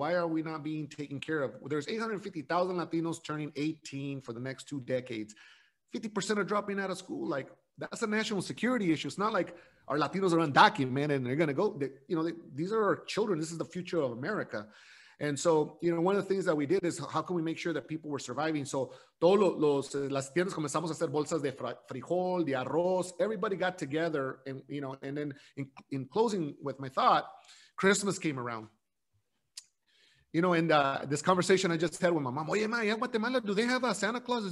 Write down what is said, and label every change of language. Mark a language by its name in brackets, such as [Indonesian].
[English] Why are we not being taken care of? There's 850,000 Latinos turning 18 for the next two decades. 50% are dropping out of school. Like, that's a national security issue. It's not like our Latinos are undocumented and they're going to go. These are our children. This is the future of America. And so, you know, one of the things that we did is, how can we make sure that people were surviving? [Spanish] So, todos los las tiendas comenzamos a hacer bolsas de frijol, de arroz. [English] Everybody got together, and, you know, and then in closing with my thought, Christmas came around. You know, and this conversation I just had with my mom, [Spanish] oye, ma, [English] in Guatemala, do they have a Santa Claus?